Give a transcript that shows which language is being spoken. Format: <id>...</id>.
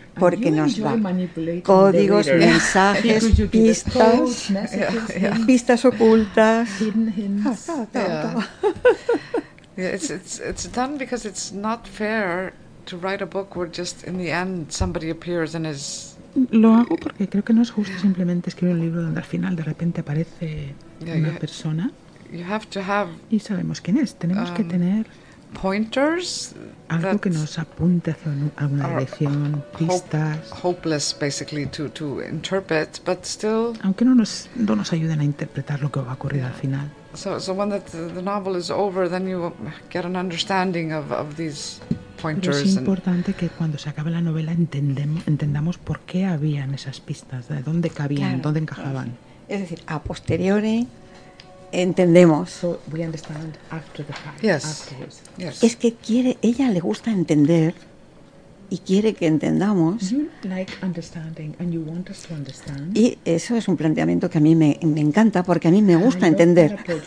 <es>Porque nos da códigos, mensajes, pistas, pistas ocultas.</es> <en>Hidden hints. It's done because it's not fair to write a book where just in the end somebody appears and is.</en> <es>Lo hago porque creo que no es justo simplemente escribir un libro donde al final de repente aparece una persona.</es> <en>You have to have,</en> <es>y sabemos quién es. Tenemos que tener</es> <en>pointers,</en> <es>algo que nos apunte hacia alguna dirección, pistas.</es> <en>Hopeless, basically, to interpret, but still,</en> <es>aunque no nos ayuden a interpretar lo que va a ocurrir al final.</es> <en>So when the novel is over, then you get an understanding of these.</en> <es>Pero es importante que cuando se acabe la novela entendamos por qué habían esas pistas, de dónde cabían, claro, dónde encajaban. Es decir, a posteriori entendemos.</es> <en>So we understand after the fact. Yes. Afterwards.</en> <es>Es que ella le gusta entender y quiere que entendamos.</es> <en>You like understanding and you want us to understand.</en> <es>Y eso es un planteamiento que a mí me encanta porque a mí me gusta entender.</es>